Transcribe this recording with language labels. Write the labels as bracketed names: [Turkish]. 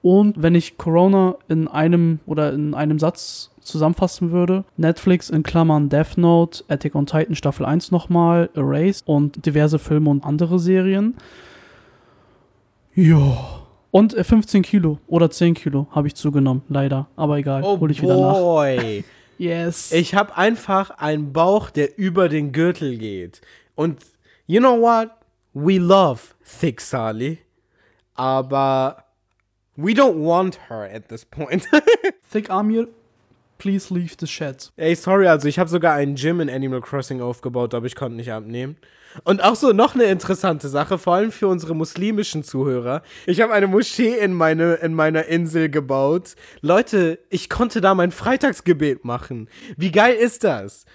[German] Und wenn ich Corona in einem Satz zusammenfassen würde, Netflix in Klammern Death Note, Attack on Titan Staffel 1 nochmal, Erase und diverse Filme und andere Serien. Ja. Und 15 Kilo oder 10 Kilo habe ich zugenommen, leider. Aber egal, hole ich wieder nach. [English] Oh boy. Yes. [German] Ich habe einfach einen Bauch, der über den Gürtel geht. [English] Und you know what? We love thick Sally. Aber we don't want her at this point. Thick Amir, please leave the chat. [German] Ey, sorry, also ich habe sogar einen Gym in Animal Crossing aufgebaut, aber ich konnte nicht abnehmen. Und auch so noch eine interessante Sache, vor allem für unsere muslimischen Zuhörer. Ich habe eine Moschee in meiner Insel gebaut. Leute, ich konnte da mein Freitagsgebet machen. Wie geil ist das?